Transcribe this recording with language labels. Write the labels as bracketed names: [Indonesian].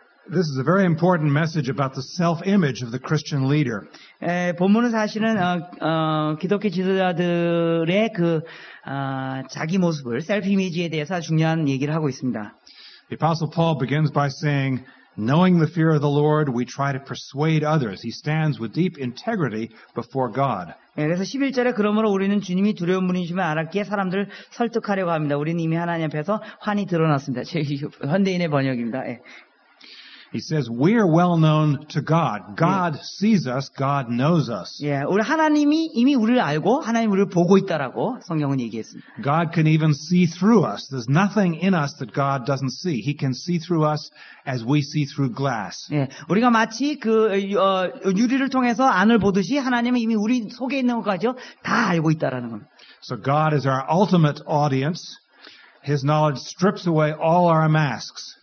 [English] This is a very important message about the self-image of the Christian leader. [Korean] 본문은 사실은 기독교 지도자들의 그 자기 모습을 셀프이미지에 대해서 중요한 얘기를 하고 있습니다. [English] The Apostle Paul begins by saying, "Knowing the fear of the Lord, we try to persuade others. He stands with deep integrity before God." [Korean] 그래서 11절에 그러므로 우리는 주님이 두려운 분이시면 알았기에 사람들을 설득하려고 합니다. 우리는 이미 하나님 앞에서 환히 드러났습니다. 현대인의 번역입니다. [English] He says, "We are well known to God. God sees us. God knows us." [Korean] 예, 우리 하나님이 이미 우리를 알고 하나님 우리를 보고 있다라고 성경은 얘기했습니다. [English] God can even see through us. There's nothing in us that God doesn't see. He can see through us as we see through glass. [Korean] 예, 우리가 마치 그 유리를 통해서 안을 보듯이 하나님은 이미 우리 속에 있는 것까지 다 알고 있다라는 겁니다. [English] So God is our ultimate audience. His knowledge strips away all our masks.